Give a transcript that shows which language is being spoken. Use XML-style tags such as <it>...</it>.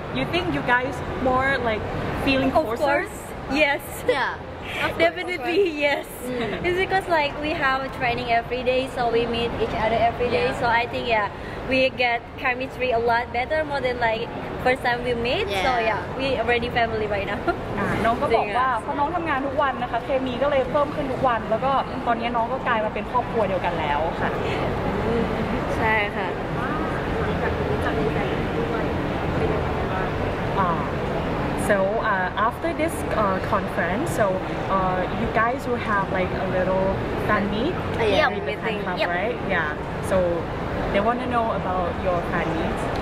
<en>You think you guys more like feeling closer? Of course. Yes. Yeah. Definitely yes. Mm. It's because like we have a training every day, so we meet each other every day. Yeah. So I think yeah, we get chemistry a lot better more than like first time we meet. Yeah. So yeah, we already family right now.</en> <th>น้องก็บอกว่าเพราะน้องทำงานทุกวันนะคะเคมีก็เลยเพิ่มขึ้นทุกวันแล้วก็ตอนนี้น้องก็กลายมาเป็นครอบครัวเดียวกันแล้วค่ะ So after this conference, so you guys will have like a little fan meet right?</th> <en>Yeah. So they want to know about your fan meet.</en>